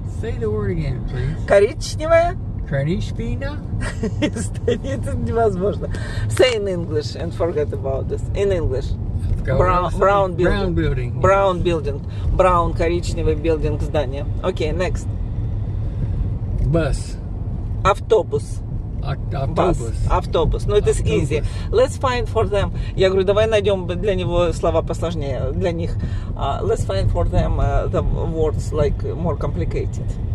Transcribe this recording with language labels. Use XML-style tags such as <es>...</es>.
<en>Say the word again, please.</en> <ru>Коричневая. Коричневина. Здание. Это невозможно.</ru> <en>Say in English and forget about this. In English. Brown building. Brown building. Brown building. Brown, коричневый building, здание. Okay, next. Bus.</en> <ru>Автобус. Автобус.</ru> <en>Автобус. Ну, это easy. Let's find for them.</en> <ru>Я говорю, давай найдем для него слова посложнее, для них.</ru> <en>Let's find for them the words like more complicated.</en>